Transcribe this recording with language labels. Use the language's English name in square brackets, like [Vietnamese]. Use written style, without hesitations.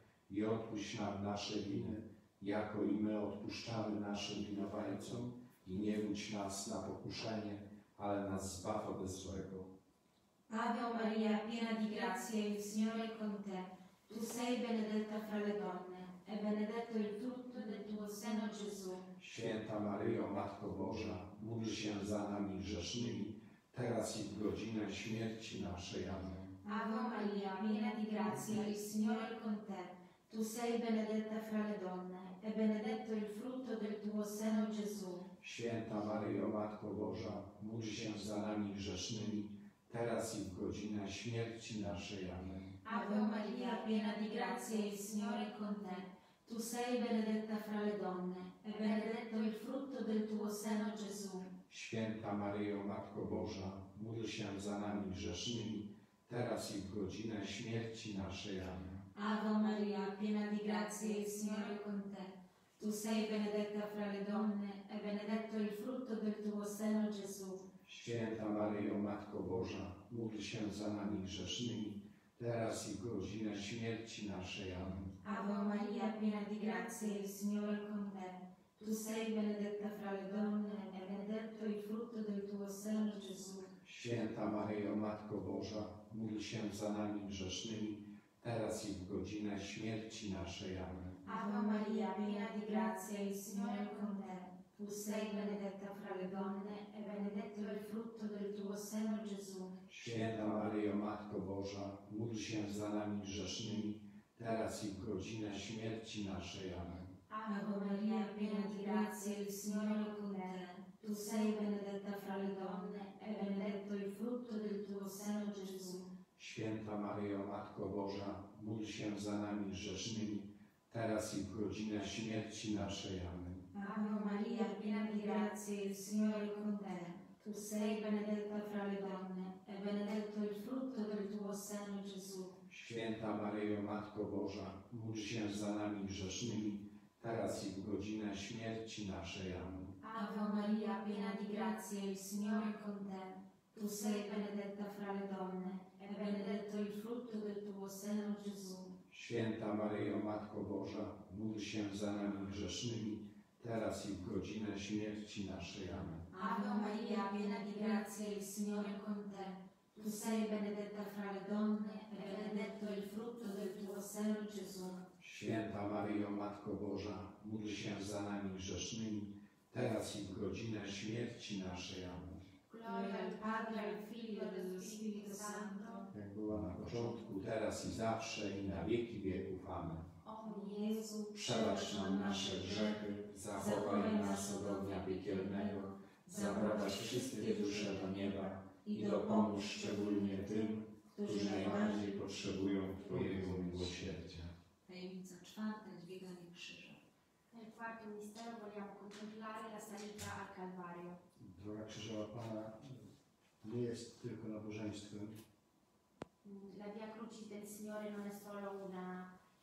[Polish] I odpuść nam nasze winy, jako i my odpuszczamy naszym winowajcom. I nie wódź nas na pokuszenie, ale nas zbaw ode złego. [Italian] Ave Maria, piena di grazia, il Signore è con te. Tu sei benedetta fra le donne, e benedetto il frutto del tuo seno, Gesù. [Polish] Święta Maryjo, Matko Boża, módl się za nami grzesznymi, teraz i w godzinę śmierci naszej. Amen. [Italian] Ave Maria, piena di grazia, il Signore è con te. Tu sei benedetta fra le donne, e benedetto il frutto del tuo seno, Gesù. [Polish] Święta Maryjo, Matko Boża, módl się za nami grzesznymi, teraz i w godzinę śmierci naszej. Amen. [Italian] Ave Maria, piena di grazia, il Signore è con te. Tu sei benedetta fra le donne, e benedetto il frutto del tuo seno, Gesù. [Polish] Święta Maryjo, Matko Boża, módl się za nami grzesznymi, teraz i w godzinę śmierci naszej. Amen. [Italian] Ave Maria, piena di grazia, il Signore è con te. Tu sei benedetta fra le donne, e benedetto il frutto del tuo seno, Gesù. [Polish] Święta Maryjo, Matko Boża, módl się za nami grzesznymi, teraz i w godzinę śmierci naszej. Amen. [Italian] Ave Maria, piena di grazia, il Signore è con te. Tu sei benedetta fra le donne, e benedetto il frutto del tuo seno, Gesù. [Polish] Święta Maryjo, Matko Boża, módl się za nami grzesznymi, teraz i w godzinę śmierci naszej. Amen. [Italian] Ave Maria, piena di grazia, il Signore è con te. Tu sei benedetta fra le donne, e benedetto il frutto del tuo seno, Gesù. [Polish] Święta Maryjo, Matko Boża, módl się za nami grzesznymi, teraz i w godzinę śmierci naszej. Amen. [Italian] Ave Maria, piena di grazia, il Signore è con te. Tu sei benedetta fra le donne, e benedetto il frutto del tuo seno, Gesù. [Polish] Święta Maryjo, Matko Boża, módl się za nami grzesznymi, teraz i w godzinę śmierci naszej. Amen. [Italian] Ave Maria, piena di grazia, il Signore è con te. Tu sei benedetta fra le donne, e benedetto il frutto del tuo seno, Gesù. [Polish] Święta Maryjo, Matko Boża, módl się za nami grzesznymi, teraz i w godzinę śmierci naszej. Amen. [Italian] Ave Maria, piena di grazia, il Signore è con te. Tu sei benedetta fra le donne, e benedetto il frutto del tuo seno, Gesù. [Polish] Święta Maryjo, Matko Boża, módl się za nami grzesznymi, teraz i w godzinę śmierci naszej. Amen. [Italian] Ave Maria, piena di grazia, il Signore è con te. Tu sei benedetta fra le donne, e benedetto il frutto del tuo seno, Gesù. [Polish] Święta Maryjo, Matko Boża, módl się za nami grzesznymi, teraz i w godzinę śmierci naszej. Amen. [Italian] Gloria al Padre, al Figlio, dello Spirito Santo. [Polish] Jak była na początku, teraz i zawsze, i na wieki wieków. Amen. O Jezu, przebacz nam nasze grzechy, zachowaj nas od ognia piekielnego, zaprowadź wszystkie dusze do nieba i dopomóż szczególnie tym, którzy najbardziej potrzebują Twojego miłosierdzia. Tajemnica czwarta, dźwiganie krzyża. [Italian] Nel quarto mistero vogliamo contemplare la salita al Calvario. [Polish] Droga Krzyżowa Pana nie jest tylko nabożeństwem. [Italian] La Via Crucis del Signore non è solo una...